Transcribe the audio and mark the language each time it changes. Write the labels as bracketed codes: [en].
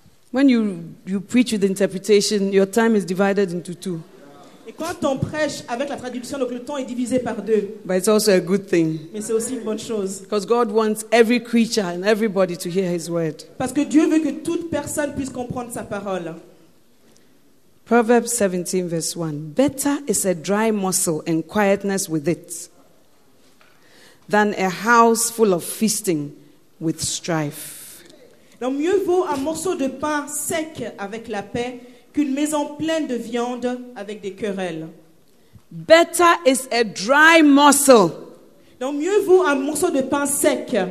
[en] When you preach with interpretation, your time is divided into two. [fr] Et quand on prêche avec la traduction, donc le temps est divisé par deux. [en] But it's also a good thing. [fr] Mais c'est aussi une bonne chose. [en] Because God wants every creature and everybody to hear His word. [fr] Parce que Dieu veut que toute personne puisse comprendre sa parole. [en] Proverbs 17 verse 1. Better is a dry muscle and quietness with it than a house full of feasting with strife. [fr] Donc mieux vaut un morceau de pain sec avec la paix qu'une maison pleine de viande avec des querelles. [en] Better is a dry muscle. [fr] Donc mieux vaut un morceau de pain sec